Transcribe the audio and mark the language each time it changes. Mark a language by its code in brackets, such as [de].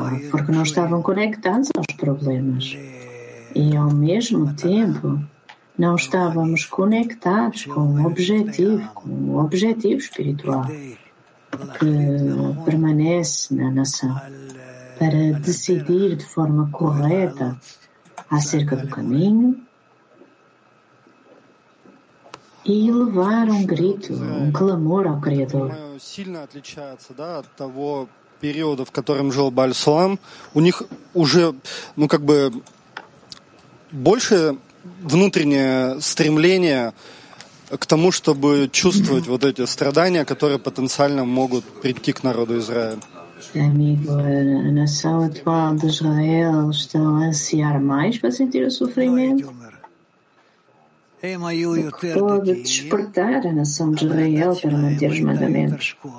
[pt] Porque não estavam conectados aos problemas. E ao mesmo tempo, não estávamos conectados com o objetivo, espiritual que permanece na nação, para decidir de forma correta acerca do caminho e levar um grito, um clamor ao Criador. [ru] Сильно отличается, да, от того периода, в котором жил Бааль Сулам. У них уже, ну как бы, больше внутреннее стремление к тому, чтобы чувствовать вот эти страдания, которые потенциально могут прийти к народу Израиля. [pt] Amigo, a nação atual de Israel está a ansiar mais para sentir o sofrimento? O que pode despertar a nação de Israel para manter os mandamentos?